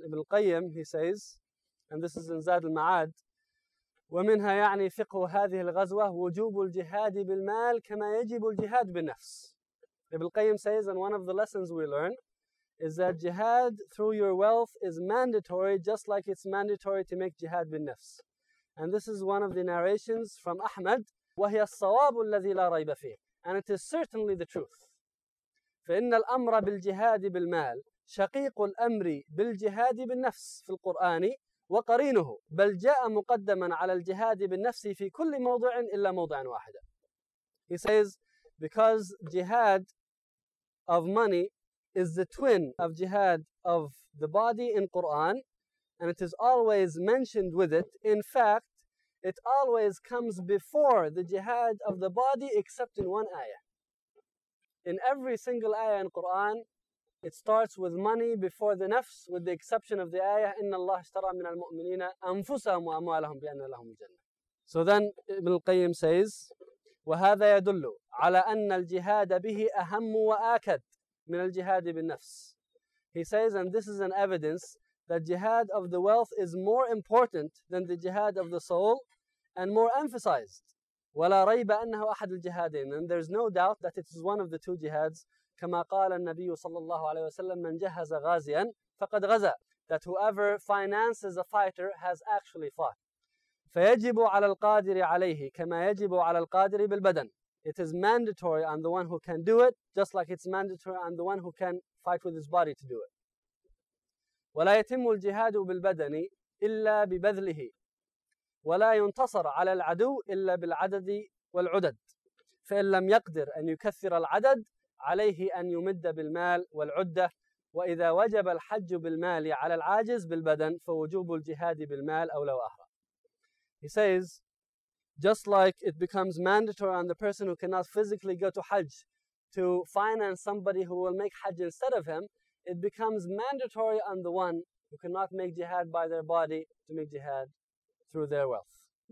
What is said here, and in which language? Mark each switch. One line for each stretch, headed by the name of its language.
English: Ibn al-Qayyim, he says, and this is in Zad al-Ma'ad,
Arabic: وَمِنْهَا يَعْنِي فِقْهُ هَذِهِ الْغَزْوَةِ وَجُوبُ الْجِهَادِ بِالْمَالِ كَمَا يَجِبُ الْجِهَادِ بِالنَّفْسِ.
English: Ibn al-Qayyim says, and one of the lessons we learn is that jihad through your wealth is mandatory, just like it's mandatory to make jihad بالنفس. And this is one of the narrations from Ahmad,
Arabic: وَهِيَ الصَّوَابُ الَّذِي لَا رَيْبَ فِيهِ.
English: And it is certainly the truth.
Arabic: فَإِنَّ الْأَمْرَ بِالْجِهَادِ بِالْمَالِ شَقِيقُ الْأَمْرِ بِالْجِهَادِ بِالنَّفْسِ فِي الْقُرْآنِ وقرينه بل جاء مقدما على الجهاد بالنفس في كل موضع إلا موضع واحد.
English: He says, because jihad of money is the twin of jihad of the body in Quran, and it is always mentioned with it. In fact, it always comes before the jihad of the body except in one ayah. In every single ayah in Quran, it starts with money before the nafs, with the exception of the ayah,
Arabic: إِنَّ اللَّهَ اشْتَرَى مِنَ الْمُؤْمِنِينَ أَنفُسَهُمْ وَأَمْوَالَهُمْ بِأَنَّ لَهُمْ الْجَنَّةِ.
English: So then Ibn al-Qayyim says,
Arabic: وَهَذَا يَدُلُّ عَلَىٰ أَنَّ الْجِهَادَ بِهِ أَهَمُّ وَآكَدْ مِنَ الْجِهَادِ بِالنَّفْسِ.
English: He says, and this is an evidence, that jihad of the wealth is more important than the jihad of the soul, and more emphasized.
Arabic: وَلَا رَيْبَ أَنَّهُ أَحَدُ الْجِهَادِينَ.
English: And there's no doubt that it is one of the two jihads.
Arabic: كما قال النبي صلى الله عليه وسلم من جهز غازيا فقد غزا.
English: That whoever finances a fighter has actually fought.
Arabic: فيجب على القادر عليه كما يجب على القادر بالبدن.
English: It is mandatory on the one who can do it, just like it's mandatory on the one who can fight with his body to do it.
Arabic: ولا يتم الجهاد بالبدن إلا ببذله ولا ينتصر على العدو إلا بالعدد والعدد. فإن لم يقدر أن يكثر العدد عليه أن يمد بالمال والعدة. وإذا وجب الحج بالمال على العاجز بالبدن فوجوب الجهاد بالمال أولى وأهرى.
English: He says, just like it becomes mandatory on the person who cannot physically go to Hajj to finance somebody who will make Hajj instead of him, it becomes mandatory on the one who cannot make jihad by their body to make jihad through their wealth.